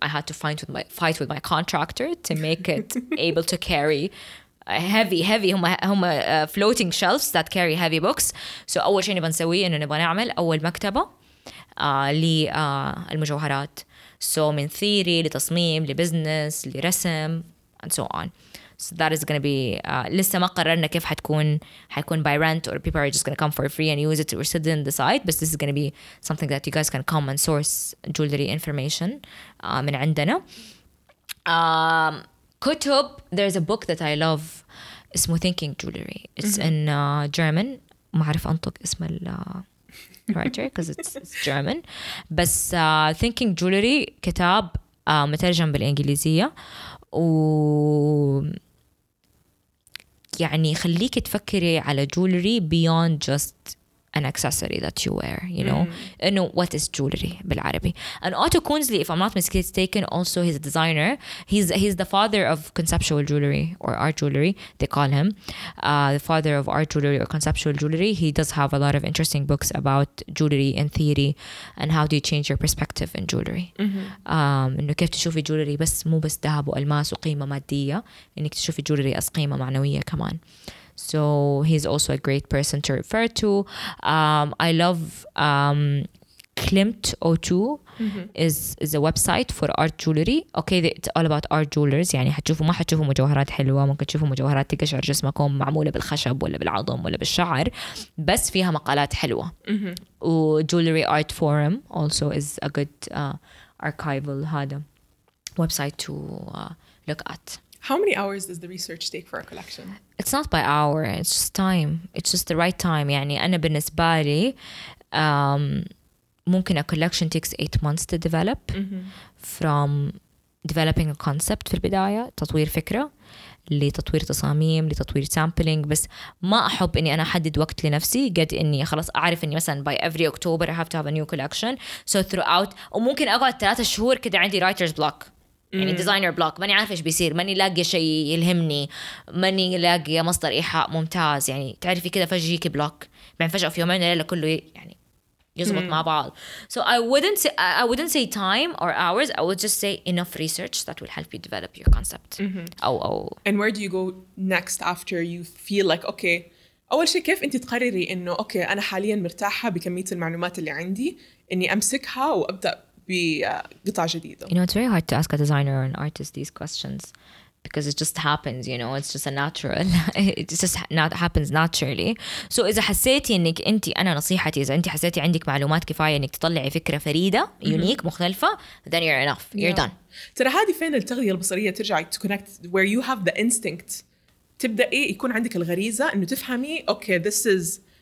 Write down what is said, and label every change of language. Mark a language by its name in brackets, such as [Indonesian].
[English] I had to fight with my contractor to make it able to carry heavy, [Arabic] هم [English] floating shelves that carry heavy books. So [Arabic] أول شيء نبغى نسويه إنه نبغى نعمل أول مكتبة للمجوهرات. [English] So [Arabic] من [English] theory [Arabic] لتصميم لبزنس لرسم [English] and so on. So that is going to be [Arabic] لسه ما قررنا كيف حيكون [English] by rent or people are just going to come for free and use it or sit in the site, but this is going to be something that you guys can come and source jewelry information [Arabic] من عندنا. كتب, [English] there's a book that I love [Arabic] اسمه [English] Thinking Jewelry, it's in German, [Arabic] ما عارف انطق اسم ال [English] writer because it's German, [Arabic] بس [English] Thinking Jewelry [Arabic] كتاب مترجم بالانجليزية, و يعني خليك تفكري على جولري [English] beyond just an accessory that you wear, you know. [Arabic] إنه [English] what is jewelry [Arabic] بالعربي. [English] And Otto Koonsley, if I'm not mistaken, also he's a designer. He's the father of conceptual jewelry or art jewelry, they call him. The father of art jewelry or conceptual jewelry. He does have a lot of interesting books about jewelry and theory and how do you change your perspective in jewelry. [Arabic] إنه كيف تشوفي jewelry بس مو بس ذهب وألماس وقيمة مادية, إنك تشوفي jewelry أس قيمة معنوية كمان. [English] So he's also a great person to refer to. I love Klimt02 is a website for art jewelry. Okay, it's all about art jewelers. [Arabic] يعني هتشوفوا ما هتشوفوا مجوهرات حلوة, ممكن تشوفوا مجوهرات تقشعر جسمكم معمولة بالخشب ولا بالعظم ولا بالشعر, بس فيها مقالات حلوة. [English] و Jewelry Art Forum also is a good archival [Arabic] هذا [English] website to look at. How many hours does the research take for a collection? It's not by hour, it's just time. It's just the right time. [Arabic] يعني أنا بالنسبة لي ممكن [English] a collection takes 8 months to develop from developing a concept [Arabic] في البداية, تطوير فكرة لتطوير تصاميم لتطوير sampling. بس ما أحب أني أنا أحدد وقت لنفسي قد أني خلاص أعرف أني مثلا [English] by every October I have to have a new collection. So throughout, [Arabic] وممكن أقعد 3 شهور كده عندي writer's block. يعني ديزاينر بلوك, ماني عارف ايش بيصير, ماني لاقي شيء يلهمني, ماني لاقي مصدر ايحاء ممتاز. يعني تعرفي كده فجأة يجيك بلوك, بعدين فجأة في يومين ليلة كله يعني يزبط مع بعض. [English] So I wouldn't say time or hours, I would just say enough research that will help you develop your concept. And where do you go next after you feel like okay, [Arabic] اول شيء كيف انت تقرري انه اوكي انا حاليا مرتاحة بكمية المعلومات اللي عندي اني امسكها وابدا بقطع جديدة؟ [English] You know, it's very hard to ask a designer or an artist these questions because it just happens, you know, it's just a natural, it just not happens naturally. [Arabic] So إذا حسيتي أنك أنت, أنا نصيحتي إذا أنت حسيتي عندك معلومات كفاية أنك تطلعي فكرة فريدة [English] unique [Arabic] مختلفة, [English] then you're enough, you're done. [Arabic] ترى هذه فين التغذية البصرية ترجع [English] to connect where you have the instinct, [Arabic] تبدأ إيه يكون عندك الغريزة أنه تفهمي [English] okay this is